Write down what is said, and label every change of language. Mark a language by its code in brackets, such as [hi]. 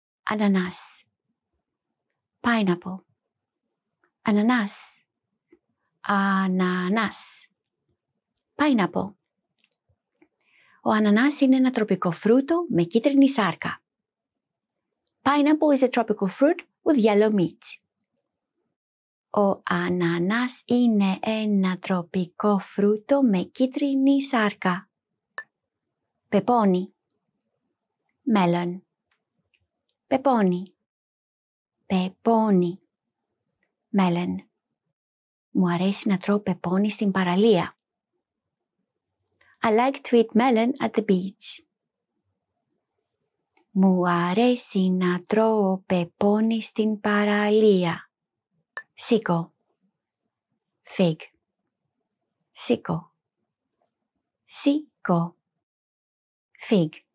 [el] Ananas. [en] Pineapple. [el] Ananas. Ananas. [en] Pineapple. [el] Ο ανανάς είναι ένα τροπικό φρούτο με κίτρινη σάρκα. [en] Pineapple is a tropical fruit with yellow meat. [el] Ο ανανάς είναι ένα τροπικό φρούτο με κίτρινη σάρκα. Πεπόνι. [en] Melon. [el] Πεπόνι. Πεπόνι. [en] Melon. [el] Μου αρέσει να τρώω πεπόνι στην παραλία. [en] I like to eat melon at the beach. [el] Μου αρέσει να τρώω πεπόνι στην παραλία. Σίκο. Fig. Σίκο. Σίκο. [en] Fig.